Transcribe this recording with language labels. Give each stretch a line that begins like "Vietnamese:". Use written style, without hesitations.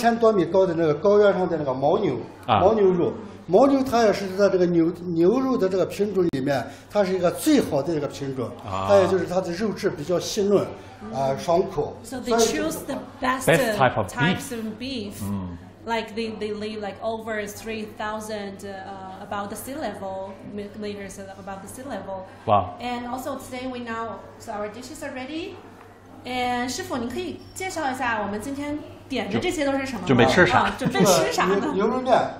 Chinese: 可以把口罩拿掉。所以我们这里有几种？有12种，它这个前面的这些。这个牛肉面它有一定的讲究，它就是选的，我们这选的就是海拔3000多米高的那个高原上的那个牦牛肉。牦牛它也是在这个牛肉的这个品种里面，它是一个最好的一个品种。还有就是它的肉质比较细嫩，爽口。So
English: they choose the best type of beef. Like they lay like over 3,000 above the sea level, meters above the sea level. Wow. And also today we now, so our dishes are ready.
Chinese: And 师傅，您可以介绍一下我们今天点的这些都是什么？准备吃啥？准备吃啥呢？牛肉面。